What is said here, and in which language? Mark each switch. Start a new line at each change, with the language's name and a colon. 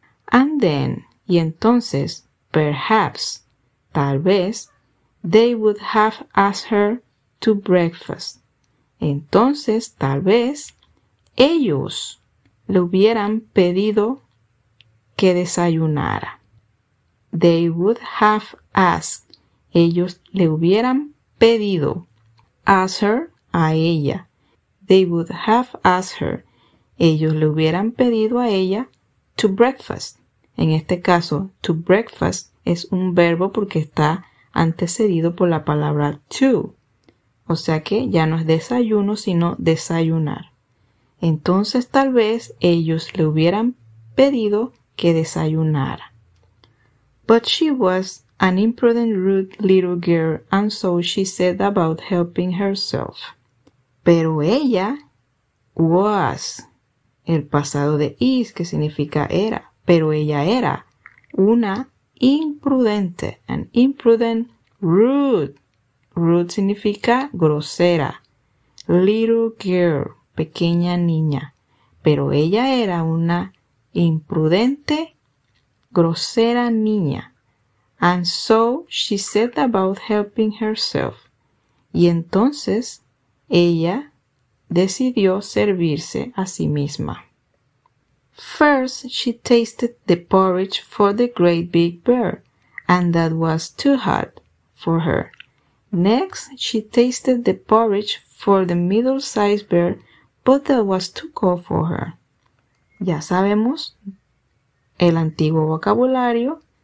English: And then,
Spanish: y entonces,
English: perhaps,
Spanish: tal vez,
English: they would have asked her to breakfast.
Spanish: Entonces, tal vez, ellos le hubieran pedido que desayunara.
English: They would have asked.
Spanish: Ellos le hubieran pedido.
English: Ask her,
Spanish: a ella.
English: They would have asked her.
Spanish: Ellos le hubieran pedido a ella
English: to breakfast.
Spanish: En este caso, to breakfast es un verbo porque está antecedido por la palabra to. O sea que ya no es desayuno, sino desayunar. Entonces, tal vez, ellos le hubieran pedido que desayunara.
English: But she was an imprudent, rude little girl, and so she set about helping herself.
Spanish: Pero ella was, el pasado de is, que significa era. Pero ella era una imprudente,
English: an imprudent, rude.
Spanish: Rude significa grosera.
English: Little girl,
Spanish: pequeña niña. Pero ella era una imprudente, grosera niña.
English: And so she set about helping herself.
Spanish: Y entonces ella decidió servirse a sí misma.
English: First she tasted the porridge for the great big bear, and that was too hot for her. Next she tasted the porridge for the middle-sized bear, but that was too cold for her.
Spanish: Ya sabemos el antiguo vocabulario.